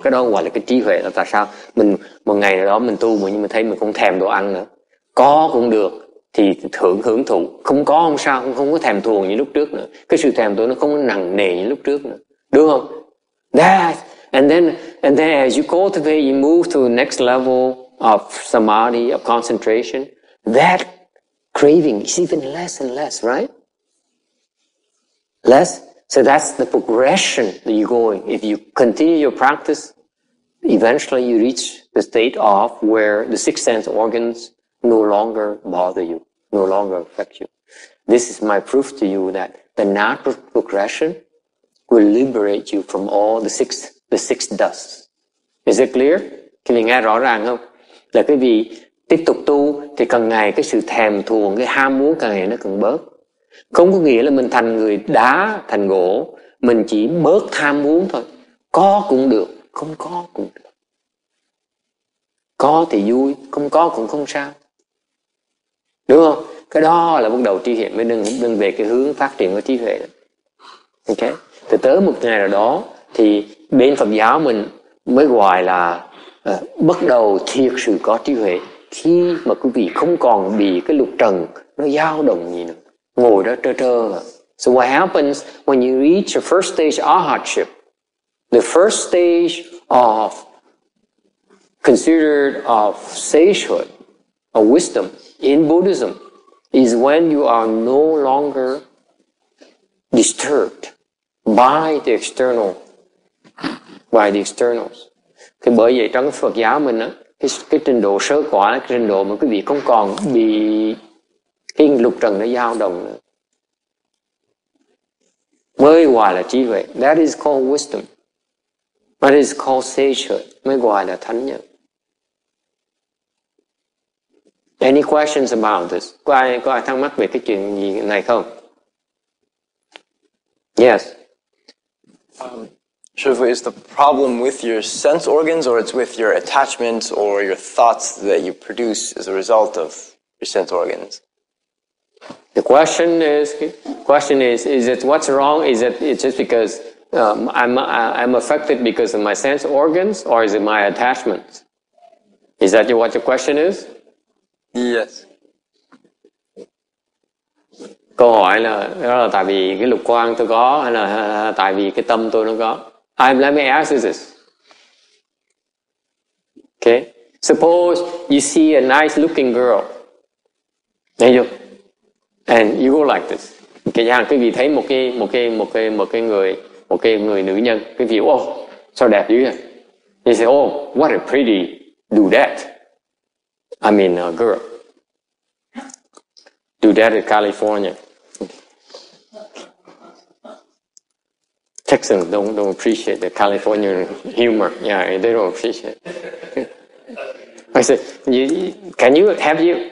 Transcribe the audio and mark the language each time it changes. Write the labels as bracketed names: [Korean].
[Vietnamese] Cái đó gọi là cái trí huệ là tại sao? Mình một ngày nào đó mình tu mà nhưng mà thấy mình không thèm đồ ăn nữa. Có cũng được, thì thưởng hưởng thụ. Không có không sao, không có thèm thuồng như lúc trước nữa. Cái sự thèm thuồng nó không nặng nề như lúc trước nữa. Đúng không? [English] And then as you cultivate, you move to the next level of samadhi, of concentration, that craving is even less and less, right? Less. So that's the progression that you're going. If you continue your practice, eventually you reach the state of where the six sense organs no longer bother you, no longer affect you. This is my proof to you that the natural progression will liberate you from all the six dust. Is it clear? [Vietnamese] Quý vị nghe rõ ràng không? Là quý vị tiếp tục tu thì càng ngày cái sự thèm thuồng, cái ham muốn càng ngày nó càng bớt. Không có nghĩa là mình thành người đá, thành gỗ. Mình chỉ bớt ham muốn thôi. Có cũng được, không có cũng được. Có thì vui, không có cũng không sao. Đúng không? Cái đó là bắt đầu trí huệ mới đừng về cái hướng phát triển của trí huệ đó. Ok? Thì tới một ngày nào đó thì bên Phật giáo mình mới gọi là bắt đầu thiệt sự có trí huệ, khi mà quý vị không còn bị cái lục trần nó dao động gì nữa, ngồi đó trơ trơ. [English] So what happens when you reach the first stage of arhatship, the first stage of considered of sagehood or wisdom in Buddhism is when you are no longer disturbed by the external. By the externals. [Vietnamese] Thì bởi vậy trong Phật giáo mình á, cái trình độ sơ quả, cái trình độ mà quý vị không còn bị cái lục trần nó dao động nữa, mới gọi là trí huệ. [English] That is called wisdom. That is called sagehood. [Vietnamese] Mới gọi là thánh nhân. [English] Any questions about this? [Vietnamese] Có ai thắc mắc về cái chuyện gì này không? [English] Yes. Shifu, is the problem with your sense organs, or it's with your attachments or your thoughts that you produce as a result of your sense organs? The question is, is it what's wrong? Is it it's just because I'm affected because of my sense organs, or is it my attachments? Is that what your question is? Yes. [Vietnamese] Câu hỏi là tại vì cái lục quang tôi có, hay là tại vì cái tâm tôi nó có? [English] Let me ask you this. Okay. Suppose you see a nice looking girl. And you go like this. Okay, yeah, [Vietnamese] quý vị thấy một cái người nữ nhân. Quý vị, oh, so đẹp dữ vậy. [English] You say, oh, what a pretty dudette. I mean, a girl. Dudette in California. Texans don't appreciate the California humor. Yeah, they don't appreciate. I said, have you?